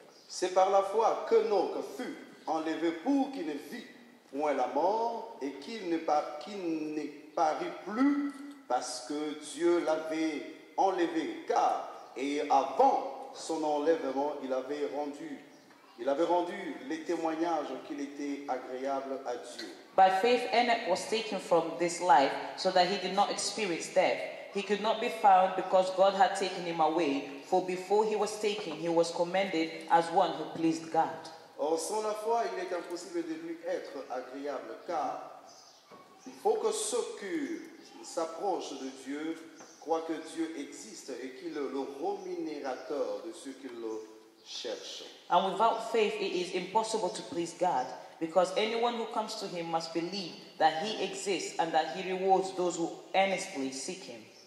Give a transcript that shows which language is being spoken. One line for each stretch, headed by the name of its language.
French: C'est par la foi que Noé fut enlevé pour qu'il ne vit point la mort et qu'il ne parut plus. Parce que Dieu l'avait enlevé, car et avant son enlèvement, il avait rendu les témoignages qu'il était agréable à Dieu.
English: By faith, Enoch was taken from this life, so that he did not experience death. He could not be found because God had taken him away. For before he was taken, he was commended as one who pleased God.
French: Or sans la foi, il est impossible de lui être agréable, car il faut que ce que s'approche de Dieu, croit que Dieu existe et qu'il est le rémunérateur de ceux qui le cherchent.
English: And without faith, it is impossible to please God, because anyone who comes to him must believe that he exists and that he rewards those who earnestly seek him.